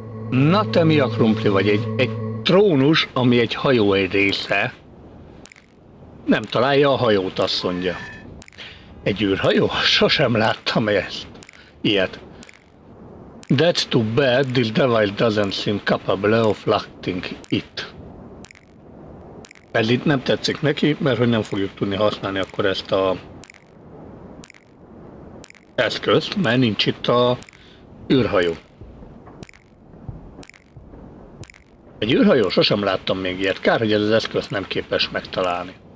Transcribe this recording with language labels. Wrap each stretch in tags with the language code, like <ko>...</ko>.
<hu>Na te mi a krumpli vagy? Egy trónus, ami egy hajó egy része. Nem találja a hajót, azt mondja. Egy űrhajó? Sosem láttam ezt. Ilyet.</hu> <en>That's too bad, this device doesn't seem capable of locking it.</en> <hu>Ez itt nem tetszik neki, mert hogy nem fogjuk tudni használni akkor ezt a... eszközt, mert nincs itt a űrhajó. Egy űrhajó? Sosem láttam még ilyet. Kár, hogy ez az eszköz nem képes megtalálni.</hu>